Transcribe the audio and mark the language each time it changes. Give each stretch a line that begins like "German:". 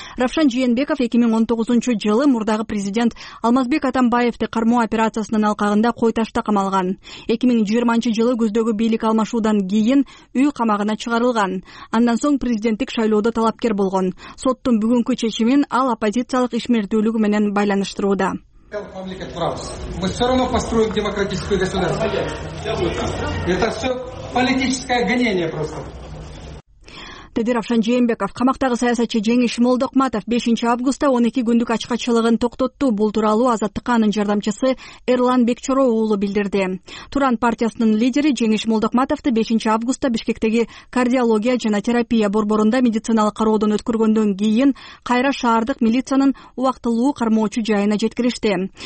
Kyrgyz: Равшан Жээнбеков 2019 жылы мурдагы президент Алмазбек Атамбаевди кармоо операциясынын алкагында Койташта камалган. 2020 жылы күздөгү бийлик алмашуудан кийин үй камагына чыгарылган. Андан соң президенттик шайлоодо талапкер болгон. Соттун бүгүнкү чечимин ал оппозициялык ишмердүүлүгү менен байланыштырууда.
Russian: Мы все равно построим демократическое государство. Это все политическое гонение просто.
Kyrgyz: Деди Равшан Жээнбеков. Камактагы саясатчы Жеңиш Молдокматов 5 августта 12 күндүк ачкачылыгын токтотту. Бул тууралуу Азаттыкка анын жардамчысы Эрлан Бекчоро уулу билдирди. Туран партиясынын лидери Жеңиш Молдокматовду 5 августта Бишкектеги кардиология жана терапия борборунда медициналык кароодон өткөргөндөн кийин кайра шаардык милициянын убактылуу кармоочу жайына жеткиришти.